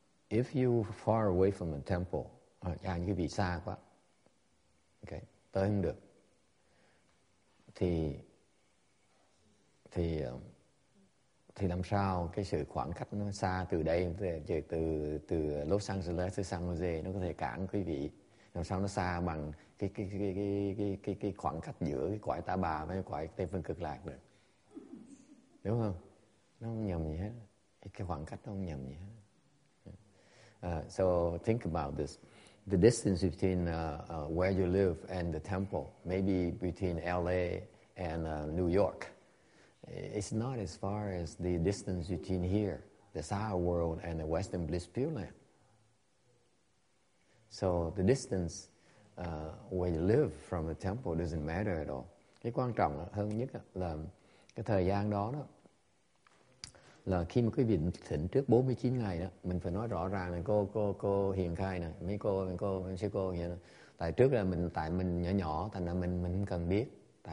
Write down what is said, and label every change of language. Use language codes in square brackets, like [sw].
[en] If you far away from the temple, [vi] à như quý vị xa quá, okay, tới không được, thì làm sao cái sự khoảng cách nó xa từ đây từ Los Angeles tới San Jose nó có thể cản quý vị? Làm sao nó xa bằng cái khoảng cách giữa cái quả Ta Bà với quả Tây Phương Cực Lạc được, đúng không? Nó không nhầm gì hết, cái khoảng cách nó không nhầm gì hết. [en] So think about this: the distance between where you live and the temple, maybe between LA and New York, it's not as far as the distance between here, the Sahara world, and the Western Bliss Pure Land. So the distance where you live from the temple doesn't matter at all. [vi] Cái quan trọng hơn nhất là cái thời gian đó đó. Là khi mà quý vị thỉnh trước 49 ngày đó, mình phải nói rõ ràng là cô hiền khai nè, mấy cô, sư cô vậy đó. Tại trước là mình, tại mình nhỏ nhỏ, thành ra mình không cần biết.